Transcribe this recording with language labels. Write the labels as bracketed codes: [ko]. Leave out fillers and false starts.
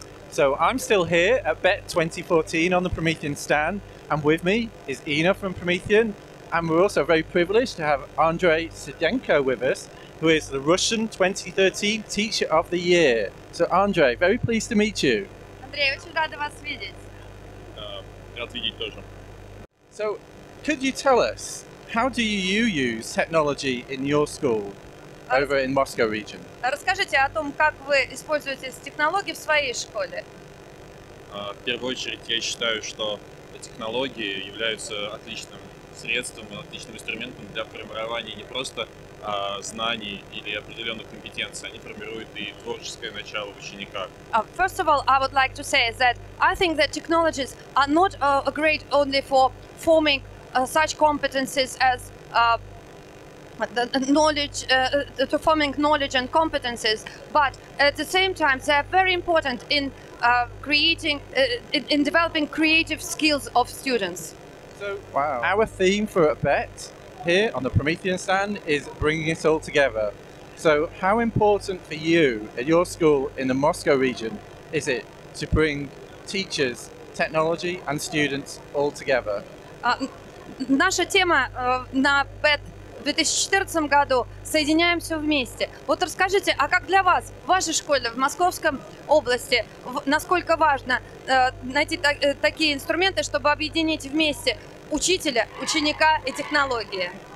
[en] So I'm still here at Bet 2014 on the Promethean stand, and with me is Ina from Promethean, and we're also very privileged to have Andrei Sidenko with us, who is the Russian 2013 Teacher of the Year. So Andrei, very pleased to meet you. [ru] Andrei, очень рада вас видеть. Рад видеть тоже. [en] So, could you tell us, how do you use technology in your school over in Moscow region? [ru] Расскажите о том, как вы используете технологии в своей школе. В первую очередь, я считаю, что технологии являются отличным средством, отличным инструментом для формирования не просто знаний или определенных компетенций, они формируют и творческое начало ученика. [en] First of all, I would like to say that I think that technologies are not great only for forming such competencies as the knowledge, to forming knowledge and competencies, but at the same time, they are very important in creating, in developing creative skills of students. Our theme for a bet here on the Promethean stand is bringing it all together. So how important for you at your school in the Moscow region is it to bring teachers, technology and students all together? [ru] Наша тема на бет в 2014 году «Соединяемся вместе». Вот расскажите, а как для вас, в вашей школе, в Московской области, насколько важно найти такие инструменты, чтобы объединить вместе учителя, ученика и технологии?